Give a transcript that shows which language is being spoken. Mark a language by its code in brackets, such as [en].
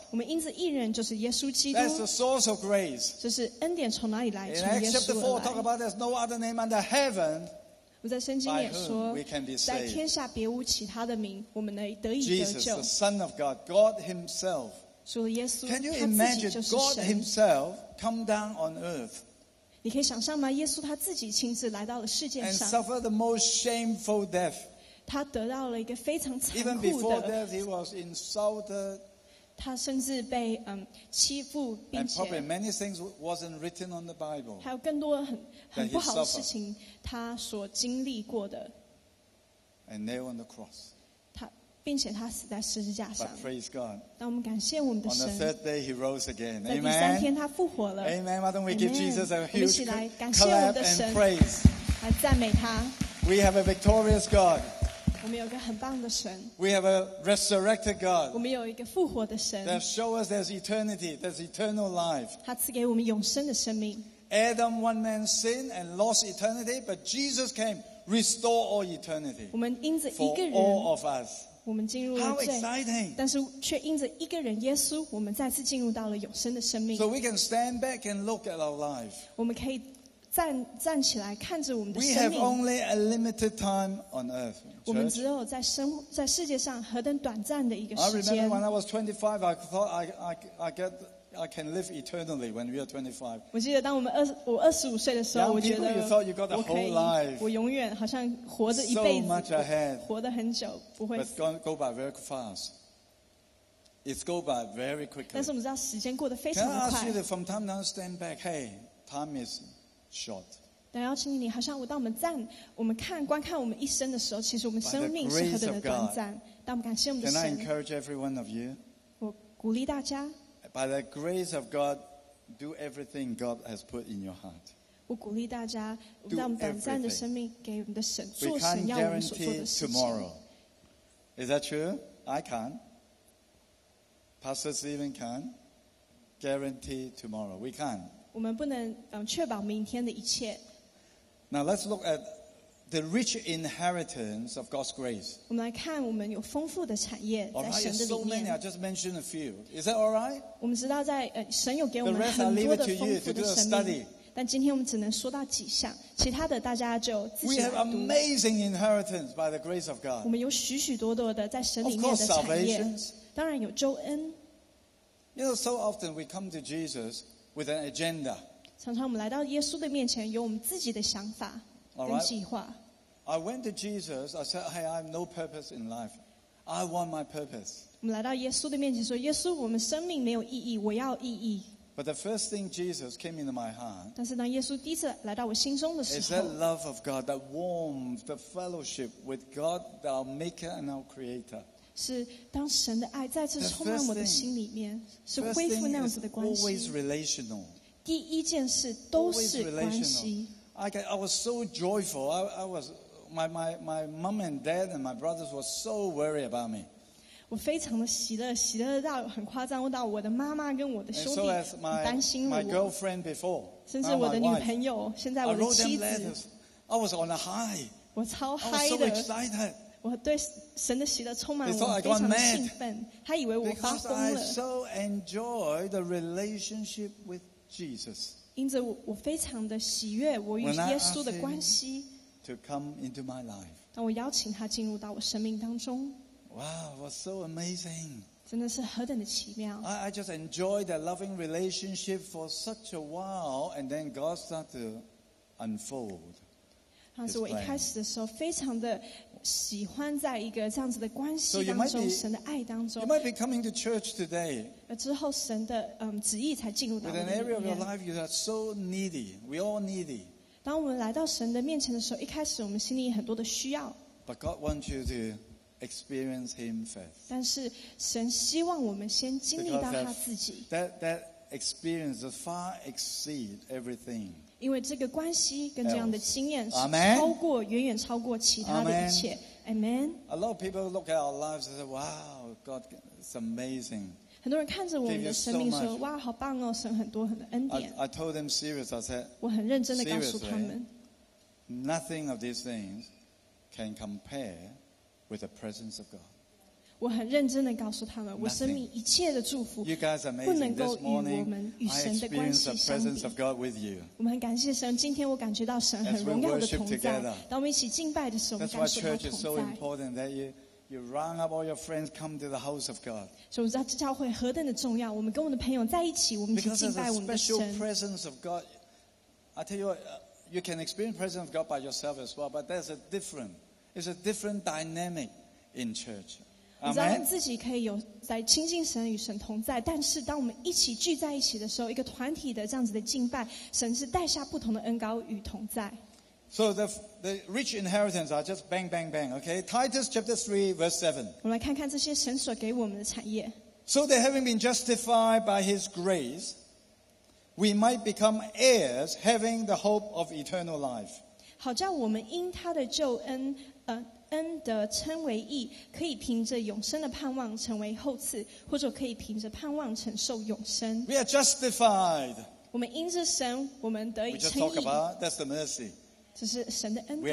[zh] 我们因此一人就是耶稣基督 [en] That's the source of grace [zh] 这是恩典从哪里来 [en] In Acts chapter 4 talk about there's no other name under heaven [zh] 我在圣经也说在天下别无其他的名我们能得以得救 [en] Jesus, the Son of God, God himself Can you imagine God Himself come down on earth? [zh] 你可以想象吗？耶稣他自己亲自来到了世界上 [en] ，and suffered the most shameful death. [zh] 他得到了一个非常残酷的。 [en] Even before death, he was insulted. [zh] 他甚至被欺负，并且。 [en] And probably many things wasn't written on the Bible. [zh] 还有更多很不好的事情，他所经历过的。 [en] And nailed on the cross. [zh] 并且他死在十字架上。 [en] But praise God. [zh] 当我们感谢我们的神。 [en] On the third day he rose again. Amen. [zh] 在第三天他复活了。 [en] Amen. Why don't we give Jesus a huge clap and praise? [zh] 来赞美他。 [en] We have a victorious God. [zh] 我们有一个很棒的神。 [en] We have a resurrected God. [zh] 我们有一个复活的神。 [en] That show us there's eternity, there's eternal life. [zh] 他赐给我们永生的生命。 [en] Adam, one man sinned and lost eternity, but Jesus came, restore all eternity. [zh] 我们因着一个人。 [en] For all of us. [zh] 我们进入了罪 [en] How exciting. [zh] 但是却因着一个人耶稣我们再次进入到了永生的生命 [en] So we can stand back and look at our life. [zh] 我们可以站起来看着我们的生命。 [en] We have only a limited time on earth. [zh] 我们只有在世界上何等短暂的一个时间。 [en] I remember when I was 25, I thought I can live eternally when we are 25. [zh] 我记得当我二十五岁的时候，我觉得 [en] you thought you got the whole life. [zh] 我永远好像活着一辈子。 [en] So much ahead. [zh] 活得很久，不会。 [en] But go by very fast. It's go by very quickly. [zh] 但是我们知道时间过得非常快。 [en] Can I ask you that from time to time, stand back? Hey, time is short. [zh] 但邀请你，好像当我们站，我们看，观看我们一生的时候，其实我们生命是何等的短暂。当我们感谢我们的神。 [en] Can I encourage every one of you? [zh] 我鼓励大家。 [en] By the grace of God, do everything God has put in your heart. [zh] 我鼓励大家，让我们短暂的生命给我们的神做神要我们所做的事情。 [en] We can't guarantee tomorrow. Is that true? I can't. Pastor Stephen can guarantee tomorrow. We can. [zh] 我们不能确保明天的一切。 [en] Now let's look at the rich inheritance of God's grace. [zh] 我们来看我们有丰富的产业在神的里面。 [en] So many, I just mentioned a few. Is that all right? [zh] 我们知道在神有给我们很多的丰富的生命。 [en] Study. [zh] 但今天我们只能说到几项，其他的大家就自己来读。 [en] We have amazing inheritance by the grace of God. [zh] 我们有许许多多的在神里面的产业。 [en] Of course, salvation. [zh] 当然有周恩。 [en] You know, so often we come to Jesus with an agenda. [zh] 常常我们来到耶稣的面前，有我们自己的想法跟计划。 [en] I went to Jesus. I said, "Hey, I have no purpose in life. I want my purpose." [zh] 我们来到耶稣的面前说，耶稣，我们生命没有意义，我要意义。 [en] But the first thing Jesus came into my heart. [zh] 但是当耶稣第一次来到我心中的时候 [en] ，is that love of God, that warmth, the fellowship with God, our Maker and our Creator. [zh] 是当神的爱再次充满我的心里面 [en] thing, [zh] 是恢复那样子的关系 [en] always relational. [zh] 第一件事都是关系 [en] I was so joyful I was, my mom and dad and my brothers were so worried about me [zh] 我非常的喜乐喜乐到很夸张到我的妈妈跟我的兄弟很担心我 [en] my girlfriend before, [zh] 甚至我的女朋友 [en] wife, [zh] 现在我的妻子 [en] I wrote them letters. I was on a high [zh] 我超嗨的 [en] I was so excited [zh] 我对神的喜乐充满了我非常的兴奋他以为我发疯了 [en] Because I so enjoy the relationship with Jesus [zh] 因着我非常的喜悦我与耶稣的关系 [en] to come into my life [zh] 当我邀请他进入到我生命当中 [en] Wow, it was so amazing [zh] 真的是何等的奇妙 [en] I just enjoyed that loving relationship for such a while and then God started to unfold [zh] 当时我一开始的时候非常的喜欢在一个这样子的关系当中，神的爱当中。 [en] You might be coming to church today. [zh] 之后神的旨意才进入到我们里面。 [en] With an area of your life you are so needy, we all needy. [zh] 当我们来到神的面前的时候，一开始我们心里很多的需要。 [en] But God wants you to experience Him first. [zh] 但是神希望我们先经历到他自己。 [en] That experience will far exceed everything. [zh] 因为这个关系跟这样的经验是超过远远超过其他的一切 Amen [en] A lot of people look at our lives and say Wow, God, it's amazing [zh] 很多人看着我们的生命说哇好棒哦神很多很恩典 [en] I told them seriously I said [zh] 我很认真地告诉他们 [en] Nothing of these things can compare with the presence of God [zh] 我很认真地告诉他们我生命一切的祝福 [en] You guys are amazing [zh] 不能够与我们与神的关系相比 [en] I experience the presence of God with you [zh] 我们很感谢神今天我感觉到神很荣耀的同在当我们一起敬拜的时候我们感受到同在 [en] That's why church is so important that you round up all your friends come to the house of God [zh] 所以我们知道这教会何等的重要我们跟我们的朋友在一起我们一起敬拜我们的神 [en] Because there's a special presence of God I tell you what, you can experience the presence of God by yourself as well but that's a different it's a different dynamic in church [zh] 你知道自己可以有在亲近神与神同在但是当我们一起聚在一起的时候一个团体的这样子的敬拜神是带下不同的恩膏与同在 [en] So the rich inheritance are just bang bang bang okay? Titus chapter 3 verse 7 [zh] 我们来看看这些神所给我们的产业 [en] So that having been justified by his grace we might become heirs having the hope of eternal life [zh] 好叫我们因他的救恩恩的称为义可以凭着永生的盼望成为后赐或者可以凭着盼望承受永生 [en] We are justified [zh] 我们因着神我们得以称义 [en] We just talk about that's the mercy [zh] 这是神的恩典